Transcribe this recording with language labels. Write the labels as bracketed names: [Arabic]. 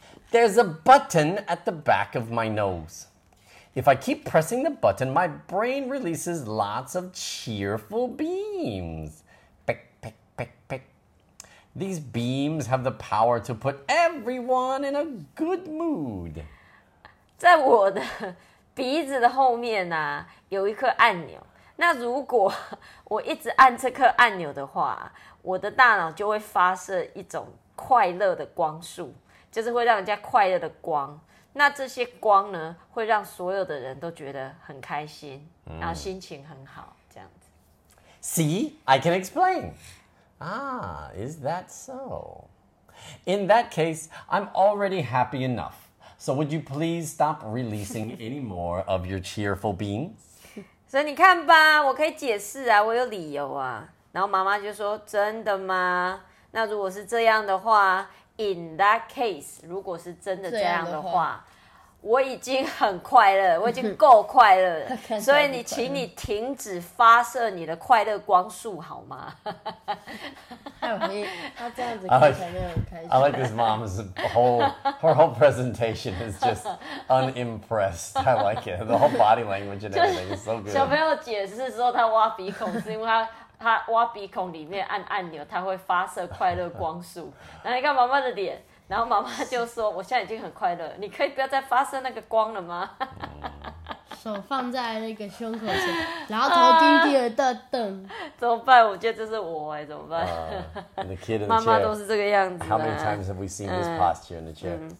[English] There's a button at the back of my nose. If I keep pressing the button, my brain releases lots of cheerful beams. Pick, pick, pick, pick. These beams have the power to put everyone in a good mood. [Chinese] 在我的鼻子的后面啊，有一颗按钮。那如果我一直按这颗按钮的话，我的大脑就会发射一种快乐的光束。就是会让人家快乐的光，那这些光呢，会让所有的人都觉得很开心，然后心情很好，这样子。 [English] See, I can explain. Ah, is that so? In that case, I'm already happy enough. So would you please stop releasing any more of your cheerful beams? [Chinese] 所以你看吧，我可以解释啊，我有理由啊。然后妈妈就说：“真的吗？那如果是这样的话。” [English] In that case, [Chinese] 如果是真的这样的 话，我已经很快乐，我已经够快乐了。所以你请你停止发射你的快乐光束好吗？他这样子看起来就很开心。 [English] I like his mom's her whole presentation is just unimpressed. I like it. The whole body language and everything is so good. [Chinese] 小朋友解释说他挖鼻孔是因为他挖鼻孔里面按按钮，他会发射快乐光束。然后你看妈妈的脸，然后妈妈就说：“我现在已经很快乐，你可以不要再发射那个光了吗？” 手放在那个胸口前，然后头低低的瞪瞪。怎么办？我觉得这是我哎，怎么办？ [English] The kid in the [Chinese] 妈妈都是这个样子、啊。 [English] How many times have we seen this posture in the chair?